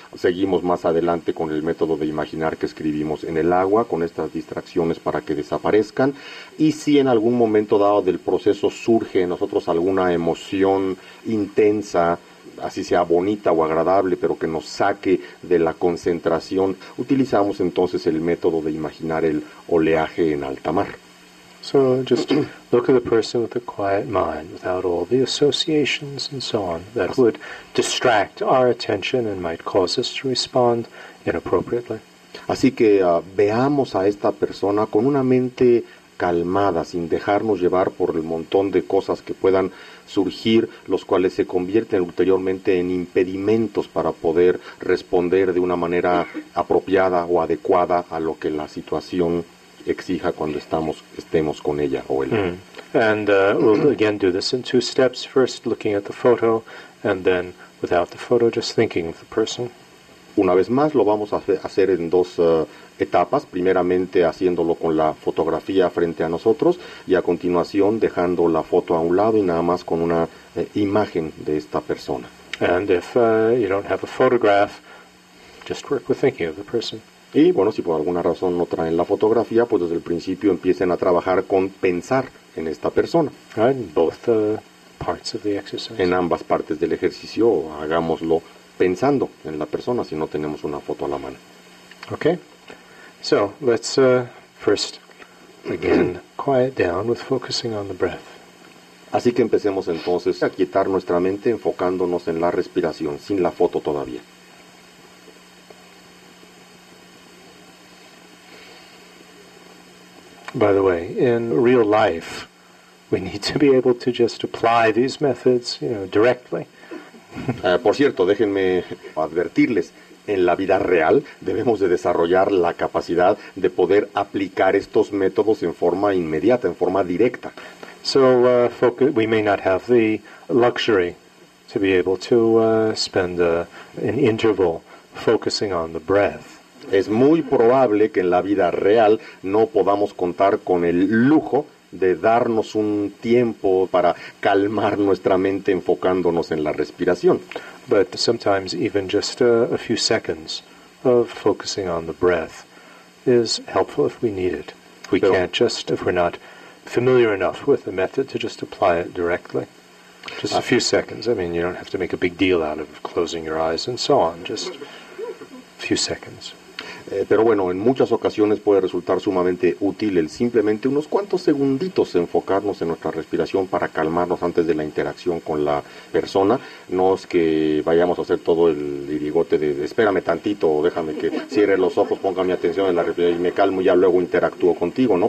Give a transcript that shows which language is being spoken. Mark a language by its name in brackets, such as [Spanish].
[Spanish] Seguimos más adelante con el método de imaginar que escribimos en el agua, con estas distracciones para que desaparezcan. Y si en algún momento dado del proceso surge en nosotros alguna emoción intensa, así sea bonita o agradable, pero que nos saque de la concentración, utilizamos entonces el método de imaginar el oleaje en alta mar. [English] So just look at the person with a quiet mind, without all the associations and so on that would distract our attention and might cause us to respond inappropriately. [Spanish] Así que veamos a esta persona con una mente calmada, sin dejarnos llevar por el montón de cosas que puedan surgir, los cuales se convierten ulteriormente en impedimentos para poder responder de una manera apropiada o adecuada a lo que la situación exija cuando estemos con ella o él. [English] And we'll again do this in two steps, first looking at the photo, and then without the photo, just thinking of the person. [Spanish] Una vez más lo vamos a hacer en dos etapas, primeramente haciéndolo con la fotografía frente a nosotros y a continuación dejando la foto a un lado y nada más con una imagen de esta persona. [English] And if you don't have a photograph, just work with thinking of the person. [Spanish] Y bueno, si por alguna razón no traen la fotografía, pues desde el principio empiecen a trabajar con pensar en esta persona. [English] In both parts of the exercise. [Spanish] En ambas partes del ejercicio, hagámoslo pensando en la persona si no tenemos una foto a la mano. [English] Okay. So, let's first again quiet down with focusing on the breath. [Spanish] Así que empecemos entonces a aquietar nuestra mente enfocándonos en la respiración sin la foto todavía. [English] By the way, in real life, we need to be able to just apply these methods, you know, directly. [Spanish] Por cierto, déjenme advertirles, en la vida real debemos de desarrollar la capacidad de poder aplicar estos métodos en forma inmediata, en forma directa. [English] So, we may not have the luxury to be able to spend an interval focusing on the breath. [Spanish] Es muy probable que en la vida real no podamos contar con el lujo de darnos un tiempo para calmar nuestra mente enfocándonos en la respiración. [English] But sometimes even just a few seconds of focusing on the breath is helpful if we need it. We can't just, if we're not familiar enough with the method to just apply it directly. Just a few seconds. I mean, you don't have to make a big deal out of closing your eyes and so on. Just a few seconds. [Spanish] Pero bueno, en muchas ocasiones puede resultar sumamente útil el simplemente unos cuantos segunditos enfocarnos en nuestra respiración para calmarnos antes de la interacción con la persona. No es que vayamos a hacer todo el irigote de espérame tantito o déjame que cierre los ojos, ponga mi atención en la respiración y me calmo y ya luego interactúo contigo, ¿no?